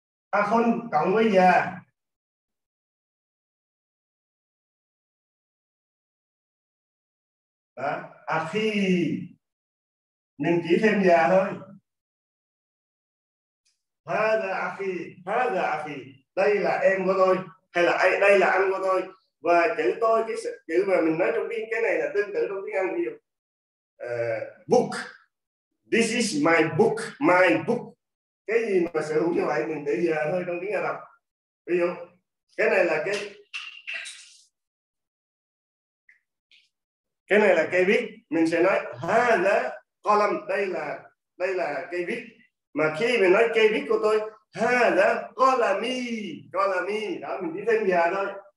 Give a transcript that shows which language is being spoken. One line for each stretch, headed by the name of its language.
Vietnamese: Akhun cộng với già, đó akhi, mình chỉ thêm già thôi.
Arabic: Ha da akhi, ha da akhi,
Vietnamese: đây là em của tôi hay là đây là anh của tôi. Và chữ tôi, cái chữ mà mình nói trong tiếng, cái này là tương tự trong tiếng Anh nhiều.
English: Book, this is my book, my book.
Vietnamese: Cái gì mà sở hữu như vậy mình để giờ thôi trong tiếng Ả Rập. Ví dụ, cái này là cái này là cây viết, mình sẽ nói
Arabic: hadha qalam,
Vietnamese: đây là cây viết. Mà khi mình nói cây viết của tôi,
Arabic: hadha qalami, qalami,
Vietnamese: đó mình đi thêm giờ thôi.